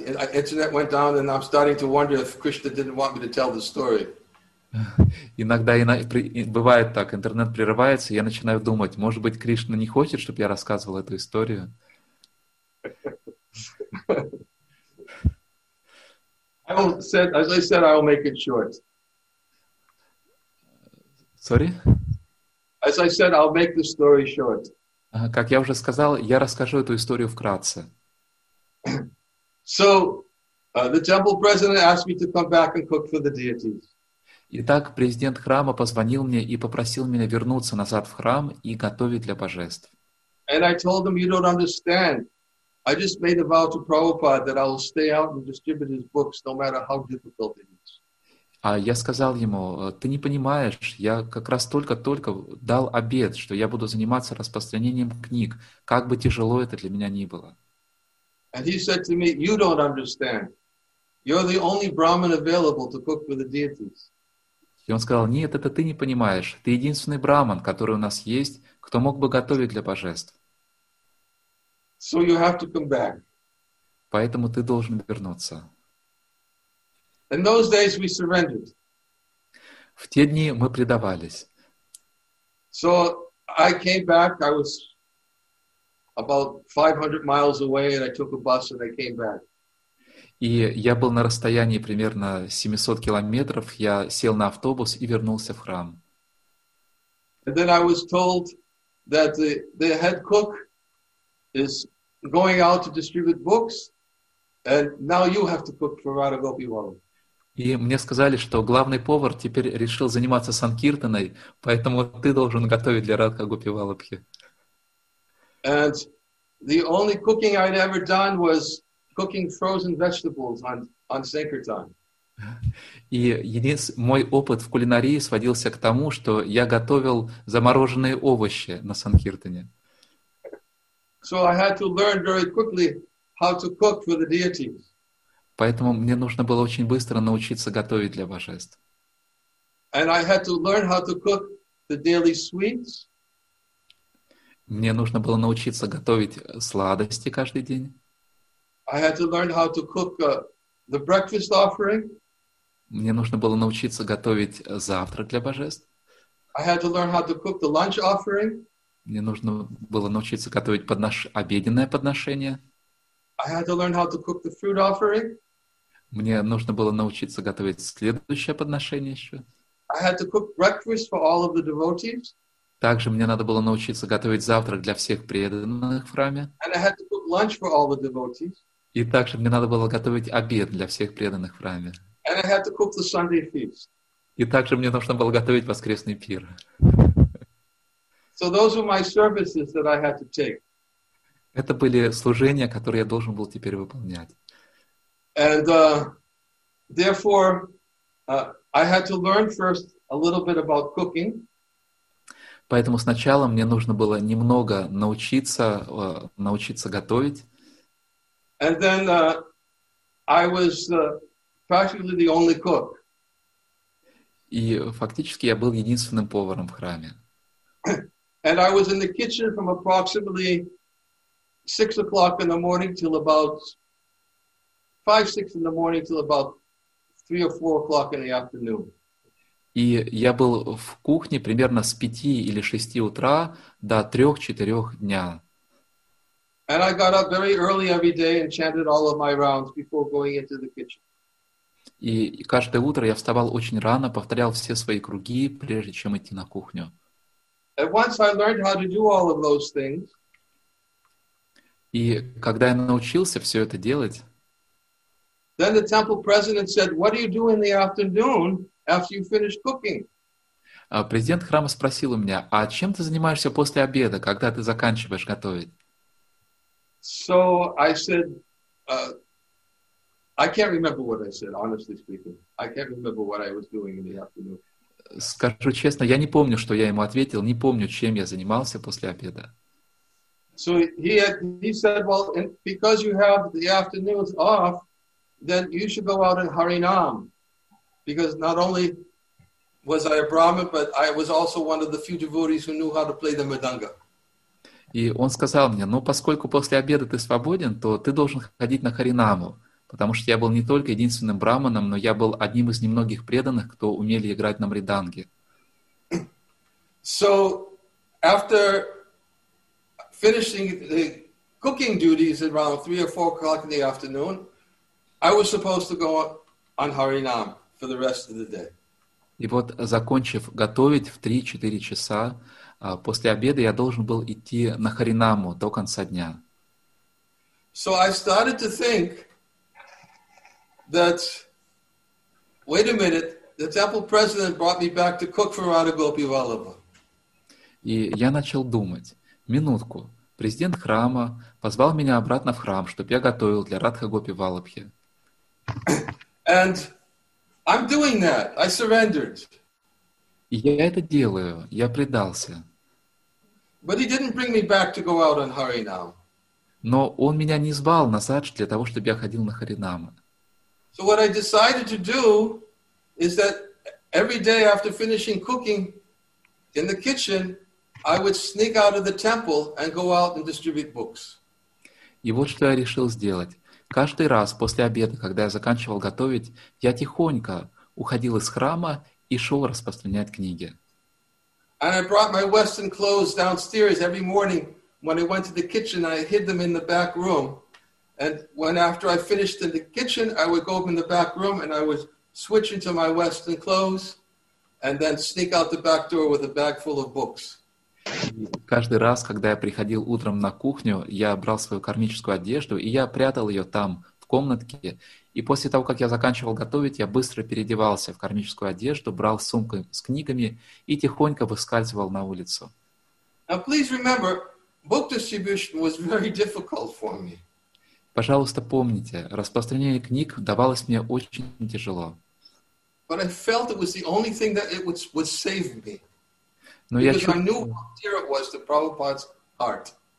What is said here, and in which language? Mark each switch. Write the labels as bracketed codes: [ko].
[en] Internet went down, and I'm starting to wonder if Krishna didn't want me to tell the story. [ru] Иногда бывает так, интернет прерывается, я начинаю думать, может быть, Кришна не хочет, чтобы я рассказывал эту историю. [en] I will said, as I said, I will make it short. Sorry? As I said, I'll make the story short. [ru] Как я уже сказал, я расскажу эту историю вкратце. [en] So, the temple president asked me to come back and cook for the deities. [ru] Итак, президент храма позвонил мне и попросил меня вернуться назад в храм и готовить для божеств. [en] And I told him, you don't understand. I just made a vow to Prabhupada that I will stay out and distribute his books no matter how difficult it is. [ru] А я сказал ему: ты не понимаешь, я как раз только-только дал обет, что я буду заниматься распространением книг, как бы тяжело это для меня ни было. [en] And he said to me, you don't understand. You're the only Brahmin available to cook for the deities. [ru] И он сказал: нет, это ты не понимаешь. Ты единственный Брахман, который у нас есть, кто мог бы готовить для божеств. [en] So you have to come back. [ru] Поэтому ты должен вернуться. [en] In those days we surrendered. [ru] В те дни мы предавались. [en] So I came back, I was about 500 miles away, and I took a bus and I came back. [ru] И я был на расстоянии примерно 700 километров, я сел на автобус и вернулся в храм. [en] And then I was told that the head cook is going out to distribute books, and now you have to cook for Radha Gopi Vallabh. [ru] И мне сказали, что главный повар теперь решил заниматься санкиртаной, поэтому ты должен готовить для Радха Гопи Валабхи. [en] And the only cooking I'd ever done was cooking frozen vegetables on Sankirtan. [ru] И мой опыт в кулинарии сводился к тому, что я готовил замороженные овощи на Санкиртане. [en] So I had to learn very quickly how to cook for the deities. [ru] Поэтому мне нужно было очень быстро научиться готовить для божеств. [en] And I had to learn how to cook the daily sweets. [ru] Мне нужно было научиться готовить сладости каждый день. [en] I had to learn how to cook the breakfast offering. [ru] Мне нужно было научиться готовить завтрак для божеств. [en] I had to learn how to cook the lunch offering. [ru] Мне нужно было научиться готовить обеденное подношение. [en] I had to learn how to cook the fruit offering. [ru] Мне нужно было научиться готовить следующее подношение еще. [en] I had to cook breakfast for all of the devotees. [ru] Также мне надо было научиться готовить завтрак для всех преданных в храме. [en] And I had to cook lunch for all the devotees. [ru] И также мне надо было готовить обед для всех преданных в храме. [en] And I had to cook the Sunday feast. [ru] И также мне нужно было готовить воскресный пир. [en] So those were my services that I had to take. [ru] Это были служения, которые я должен был теперь выполнять. [en] And therefore, I had to learn first a little bit about cooking. [ru] Поэтому сначала мне нужно было немного научиться готовить. [en] And then I was practically the only cook. [ru] И фактически я был единственным поваром в храме. [en] And I was in the kitchen from approximately 6 o'clock in the morning till about 5-6 in the morning till about 3 or 4 o'clock in the afternoon. [ru] И я был в кухне примерно с 5 или 6 утра до 3-4 дня. [en] And I got up very early every day and chanted all of my rounds before going into the kitchen. [ru] И каждое утро я вставал очень рано, повторял все свои круги, прежде чем идти на кухню. [en] And once I learned how to do all of those things, [ru] И когда я научился все это делать, [en] then the temple president said, "What do you do in the afternoon after you finish cooking?" [ru] Президент храма спросил у меня, а чем ты занимаешься после обеда, когда ты заканчиваешь готовить? [en] So I said, I can't remember what I said, honestly speaking. I can't remember what I was doing in the afternoon. [ru] Скажу честно, я не помню, что я ему ответил, не помню, чем я занимался после обеда. [en] So he said, well, and because you have the afternoons off, then you should go out and harinam. Because not only was I a Brahmin, but I was also one of the few devotees who knew how to play the mridanga. [ru] И он сказал мне, ну, поскольку после обеда ты свободен, то ты должен ходить на харинаму, потому что я был не только единственным брахманом, но я был одним из немногих преданных, кто умели играть на мриданге. [en] So, after finishing the cooking duties around 3 or 4 o'clock in the afternoon, I was supposed to go on harinam for the rest of the day. [ru] И вот, закончив готовить в 3-4 часа, после обеда я должен был идти на харинаму до конца дня. [en] So I started to think that, wait a minute, the temple president brought me back to cook for Radha Gopi Vallabha. [ru] И я начал думать, минутку, президент храма позвал меня обратно в храм, чтобы я готовил для Радха Гопи Валабхи. [en] And I'm doing that. I surrendered. [ru] И я это делаю. Я предался. [en] But he didn't bring me back to go out on Harinam. [ru] Но он меня не звал назад для того, чтобы я ходил на Харинама. [en] So what I decided to do is that every day after finishing cooking in the kitchen, I would sneak out of the temple and go out and distribute books. [ru] И вот что я решил сделать. Каждый раз после обеда, когда я заканчивал готовить, я тихонько уходил из храма и шел распространять книги. [en] And I brought my Western clothes downstairs every morning when I went to the kitchen. I hid them in the back room. And when after I finished in the kitchen, I would go up in the back room and I would switch into my Western clothes and then sneak out the back door with a bag full of books. [ru] Каждый раз, когда я приходил утром на кухню, я брал свою кармическую одежду, и я прятал ее там, в комнатке. И после того, как я заканчивал готовить, я быстро переодевался в кармическую одежду, брал сумку с книгами и тихонько выскальзывал на улицу. [en] Now, please remember, book distribution was very difficult for me. [ru] Пожалуйста, помните, распространение книг давалось мне очень тяжело. [en] But I felt it was the only thing that it would save me. [ru] Но [en] Because [ru] я чув... [en] I knew how dear it was to Prabhupada's heart.